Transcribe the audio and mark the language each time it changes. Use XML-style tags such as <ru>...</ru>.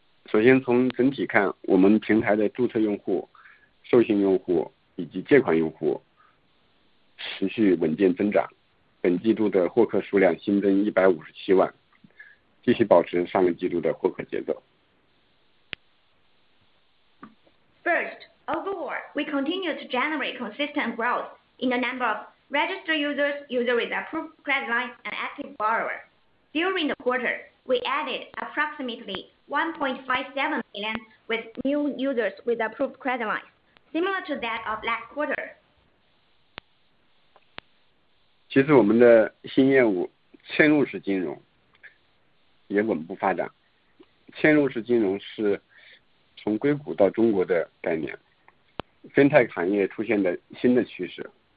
<zh>首先从整体看，我们平台的注册用户、授信用户以及借款用户持续稳健增长，本季度的获客数量新增157万，继续保持上个季度的获客节奏。</zh> <en>First, overall, we continue to generate consistent growth in the number of registered users, user with approved credit lines, and active borrowers. During the quarter, we added approximately 1.57 million with new users with approved credit lines, similar to that of last quarter.</en> <zh>其实我们的新业务嵌入式金融也稳步发展。嵌入式金融是从硅谷到中国的概念， FinTech 行业出现的新的趋势。</zh>